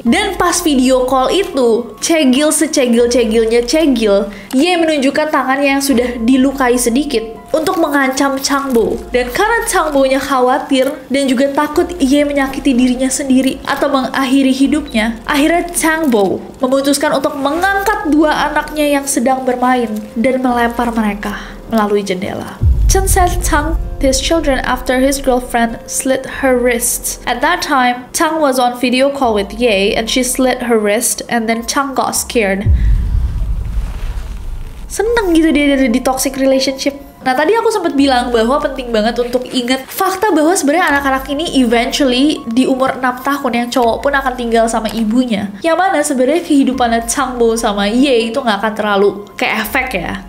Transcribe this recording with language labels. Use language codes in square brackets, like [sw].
[id] Dan pas video call itu, cegil secegil-cegilnya cegil, Ye menunjukkan tangannya yang sudah dilukai sedikit untuk mengancam Changbo. Dan karena Changbo-nya khawatir dan juga takut Ye menyakiti dirinya sendiri atau mengakhiri hidupnya, akhirnya Changbo memutuskan untuk mengangkat dua anaknya yang sedang bermain dan melempar mereka melalui jendela. [en] Chen said Chang his children after his girlfriend slit her wrist. At that time, Chang was on video call with Ye and she slit her wrist and then Chang got scared. [id] Seneng gitu dia dari di toxic relationship. Nah tadi aku sempat bilang bahwa penting banget untuk ingat fakta bahwa sebenarnya anak-anak ini eventually di umur 6 tahun yang cowok pun akan tinggal sama ibunya. Yang mana sebenarnya kehidupannya Changbo sama Ye itu gak akan terlalu keefek ya.